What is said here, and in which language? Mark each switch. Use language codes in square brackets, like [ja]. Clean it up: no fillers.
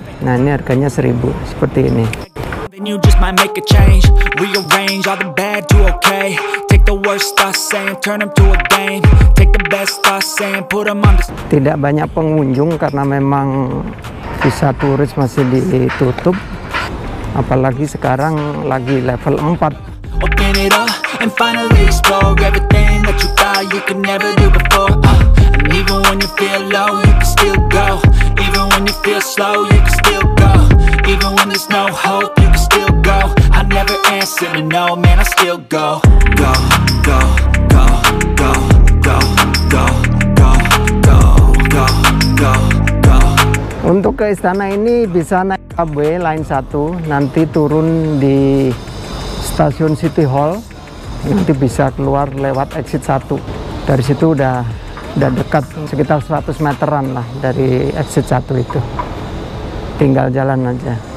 [id] Nah ini harganya 1000 seperti ini. [en] You just might make a change, rearrange all the bad to okay. Take the worst thoughts and turn them to a game. Take the best thoughts and put them on. [id] Tidak banyak pengunjung karena memang visa turis masih ditutup, apalagi sekarang lagi level 4. [en] Open it up and finally explore everything that you thought you could never do before. And even when you feel low, you can still go. Even when you feel slow, you can still go. Even when there's no hope, you can still go. I never answer to no, man, I still go. Go, go, go, go, go, go, go, go, go, go, go. [id] Untuk ke istana ini bisa naik subway line 1, nanti turun di stasiun City Hall, nanti bisa keluar lewat exit 1. Dari situ udah dekat, sekitar 100 meteran lah dari exit 1 itu. Tinggal jalan aja.